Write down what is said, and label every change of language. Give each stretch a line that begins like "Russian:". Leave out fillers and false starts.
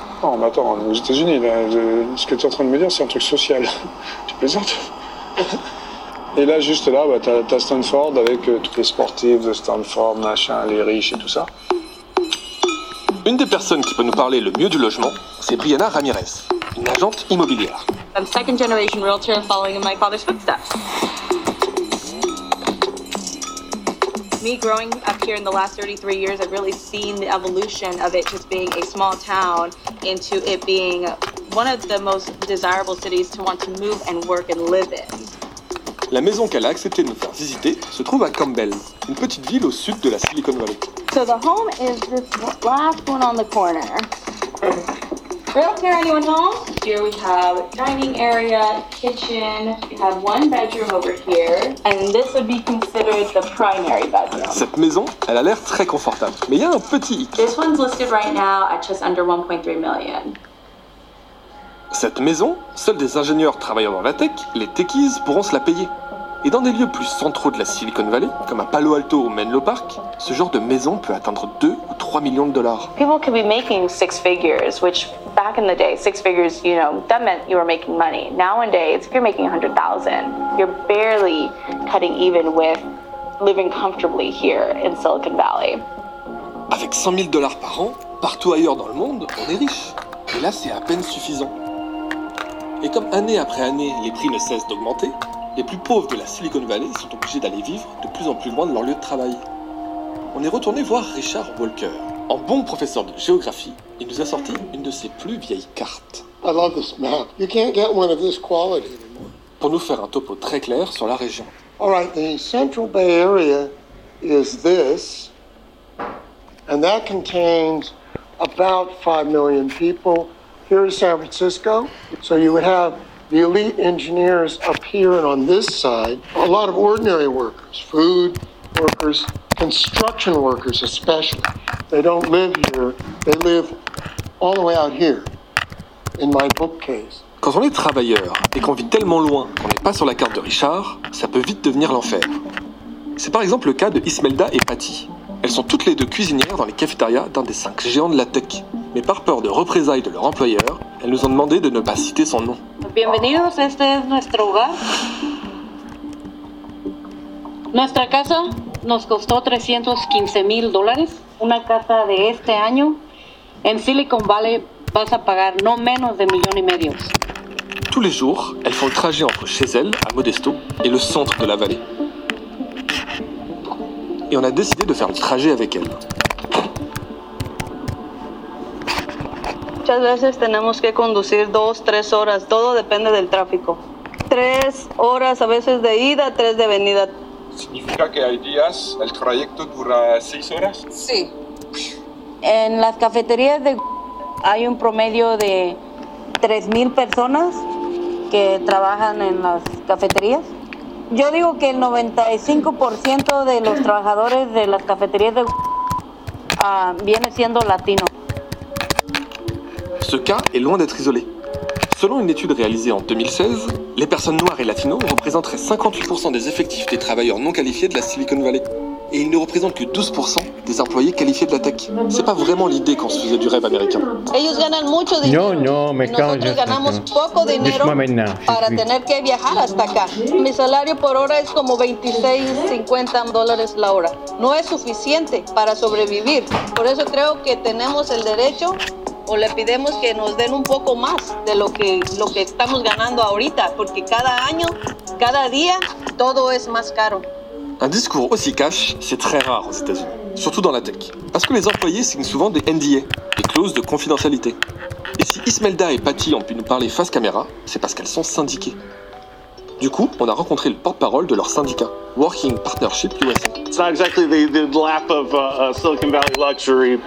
French: Non, mais attends, aux États-Unis, là, ce que tu es en train de me dire, c'est un truc social. Tu plaisantes? Et là, juste là, bah, t'as Stanford avec tous les sportifs de Stanford, machin, les riches et tout ça. Une des personnes qui peut nous parler le mieux du logement, c'est Brianna Ramirez, une agente immobilière.
English: I'm second generation realtor following in my father's footsteps. Me growing up here in the last 33 years, I've really seen the evolution of it just being a small town into it being one of the most desirable cities to want to move and work and live in.
French: La maison qu'elle a accepté de nous faire visiter se trouve à Campbell, une petite ville au sud de la Silicon Valley.
English: So the home is this last one on the corner. Realtor, anyone home? Here we have dining area, kitchen. We have one bedroom over here. And this would be considered the primary bedroom.
French: Cette maison, elle a l'air très confortable. Mais il y a un petit hic.
English: This one's listed right now at just under 1.3 million.
French: Cette maison, seuls des ingénieurs travaillant dans la tech, les techies, pourront se la payer. Et dans des lieux plus centraux de la Silicon Valley, comme à Palo Alto ou Menlo Park, ce genre de maison peut atteindre 2 ou 3 millions de dollars.
English: People could be making six figures, which back in the day, six figures, you know, that meant you were making money. Nowadays, if you're making 100,000, you're barely cutting even with living comfortably here in Silicon Valley.
French: Avec 100 000 dollars par an, partout ailleurs dans le monde, on est riche. Et là, c'est à peine suffisant. Et comme année après année, les prix ne cessent d'augmenter, les plus pauvres de la Silicon Valley sont obligés d'aller vivre de plus en plus loin de leur lieu de travail. On est retourné voir Richard Walker. En bon professeur de géographie, il nous a sorti une de ses plus vieilles cartes.
English: I love this map. You can't get one of this quality anymore.
French: Pour nous faire un topo très clair sur la région.
English: All right, the Central Bay Area is this, and that contains about 5 million people. Here is San Francisco. So you would have the elite engineers up here and on this side. A lot of ordinary workers, food workers, construction workers especially. They don't live here. They live all the way out here, in my bookcase.
French: Quand on est travailleur et qu'on vit tellement loin qu'on n'est pas sur la carte de Richard, ça peut vite devenir l'enfer. C'est par exemple le cas de Ismelda et Patty. Elles sont toutes les deux cuisinières dans les cafétérias d'un des cinq géants de la tech. Mais par peur de représailles de leur employeur, Elles nous ont demandé de ne pas citer son nom.
Spanish: Bienvenidos, este es nuestro hogar. Nuestra casa nos costó 315 mil dólares. Una casa de este año en Silicon Valley vas a pagar no menos de 1,5 million.
French: Tous les jours, elles font le trajet entre chez elles, à Modesto, et le centre de la vallée. Et on a décidé de faire le trajet avec elles.
Spanish: Muchas veces tenemos que conducir 2-3 horas, todo depende del tráfico. 3 horas a veces de ida, 3 de venida. ¿Significa que hay días el trayecto dura 6 horas? Sí. En las cafeterías de hay un promedio de 3,000 personas que trabajan en las cafeterías. Yo digo que el 95% de los trabajadores de las cafeterías de viene siendo latino.
French: Ce cas est loin d'être isolé. Selon une étude réalisée en 2016, les personnes noires et latinos représenteraient 58% des effectifs des travailleurs non qualifiés de la Silicon Valley. Et ils ne représentent que 12% des employés qualifiés de la tech. C'est pas vraiment l'idée qu'on se faisait du rêve américain.
Spanish: Ellos ganan mucho dinero. No, me cago. Nosotros ganamos poco dinero para tener que viajar hasta acá. Mi salario por hora es como $26.50 la hora. No es suficiente para sobrevivir. Por eso creo que tenemos el derecho o le pedimos que nos den un poco más de lo que estamos ganando ahorita, porque cada año, cada día, todo es más caro.
French: Un discours aussi cash, c'est très rare aux États-Unis, surtout dans la tech. Parce que les employés signent souvent des NDA, des clauses de confidentialité. Et si Ismelda et Patty ont pu nous parler face caméra, c'est parce qu'elles sont syndiquées. Du coup, on a rencontré le porte-parole de leur syndicat, Working Partnership USA.
English: It's not exactly the lap of Silicon Valley luxury.